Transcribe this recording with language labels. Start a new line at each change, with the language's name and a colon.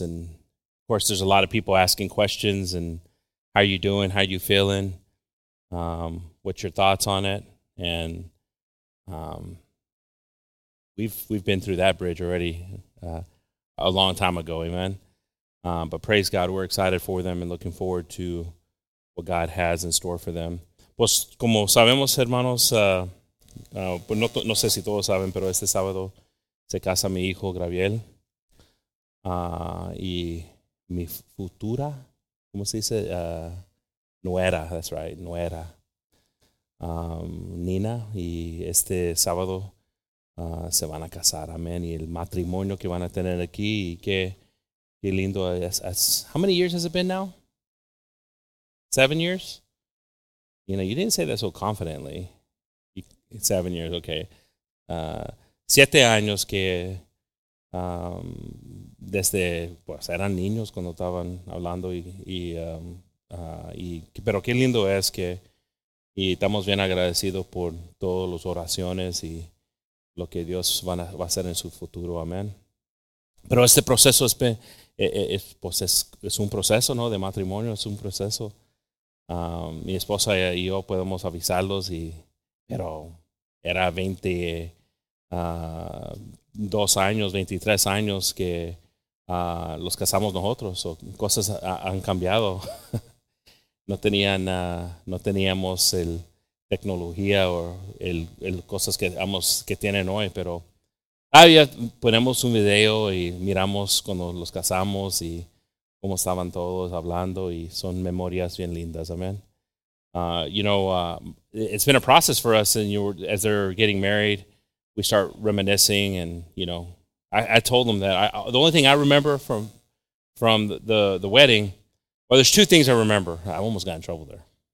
English: And of course, there's a lot of people asking questions and how are you doing, how are you feeling, what's your thoughts on it. And we've been through that bridge already a long time ago, amen. But praise God, we're excited for them and looking forward to what God has in store for them.
Spanish: Pues como sabemos, hermanos, no sé si todos saben, pero este sábado se casa mi hijo Gabriel y mi futura, ¿cómo se dice? Nuera,
English: that's right,
Spanish: nuera. Nina, y este sábado se van a casar, amén. Y el matrimonio que van a tener aquí, y qué lindo es.
English: How many years has it been now? 7 years? You know, you didn't say that so confidently. 7 years, okay.
Spanish: 7 años que desde, pues eran niños cuando estaban hablando y pero qué lindo es que. Y estamos bien agradecidos por todas las oraciones y lo que Dios va a hacer en su futuro. Amén. Pero este proceso es un proceso, ¿no? De matrimonio, es un proceso. Mi esposa y yo podemos avisarlos, y, pero era 22 años, 23 años que los casamos nosotros. So, cosas han cambiado. No teníamos el tecnología o el cosas que tienen hoy, pero ya ponemos un video y miramos cuando los casamos y cómo estaban todos hablando, y son memorias bien lindas, amen.
English: It's been a process for us, and as they're getting married, we start reminiscing, and you know, I told them that the only thing I remember from the wedding. Well, there's two things I remember. I almost got in trouble there.